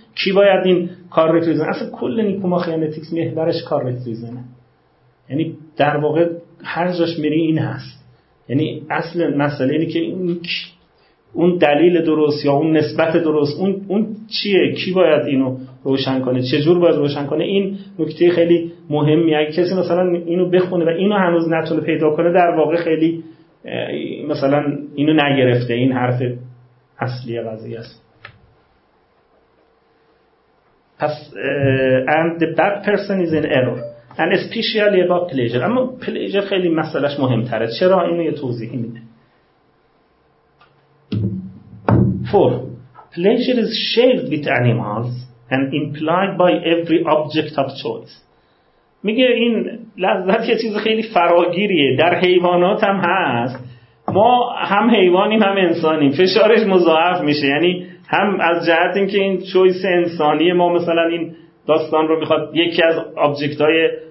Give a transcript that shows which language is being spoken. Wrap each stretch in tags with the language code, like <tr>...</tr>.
<fa>کی باید این کار رو بزنه؟ اصلا کل نیکوماخیانتیکس محورش کار رو بزنه، یعنی در واقع هر جاش میری این هست، یعنی اصل مسئله اینه که این اون دلیل درست یا اون نسبت درست اون چیه، کی باید اینو روشن کنه، چجور باید روشن کنه. این نکته خیلی مهمیه. اگه کسی مثلا اینو بخونه و اینو هنوز نتونه پیدا کنه، در واقع خیلی مثلا اینو نگرفته، این حرف اصلی قضیه است.</fa> <en>پس and the bad person is in error and especially about pleasure.</en> <fa>اما pleasure خیلی مسئلهش مهمتره. چرا؟ اینو یه توضیحی میده.</fa> <en>For pleasure is shared with animals and implied by every object of choice.</en> <fa>میگه این لذت یه چیز خیلی فراگیریه، در حیوانات هم هست، ما هم حیوانیم هم انسانیم، فشارش مضاعف میشه، یعنی هم از جهت اینکه این چویس انسانی ما مثلا این داستان رو میخواد، یکی از آبجکت های</fa>